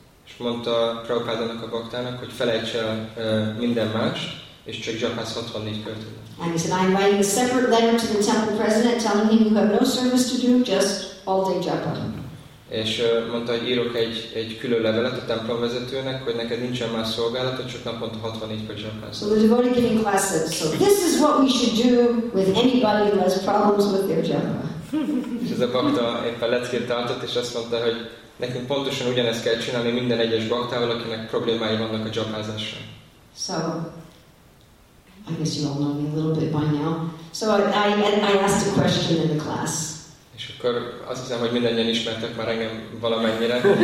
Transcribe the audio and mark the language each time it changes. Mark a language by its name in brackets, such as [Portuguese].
[Hungarian] És mondta Prabhupádának a baktának, hogy felejts el minden más, és csak japázz 64 kört. [English] And he said, I'm writing a separate letter to the temple president telling him you have no service to do, just all day japa. [Hungarian] És mondta, hogy írok egy külön levelet a templom vezetőnek, hogy neked nincsen más szolgálata, csak naponta 64 perc japázol. [English] So the devotee giving class said, so this is what we should do with anybody who has problems with their japa. [Hungarian] És ez a bakta éppen leckét tartott, és azt mondta, hogy nekünk pontosan ugyanezt kell csinálni minden egyes baktával, akinek problémái vannak a japázással. [English] So, I guess you all know me a little bit by now. So I asked a question in the class. [Hungarian] És akkor azt hiszem, hogy mindannyian ismertek már engem valamennyire.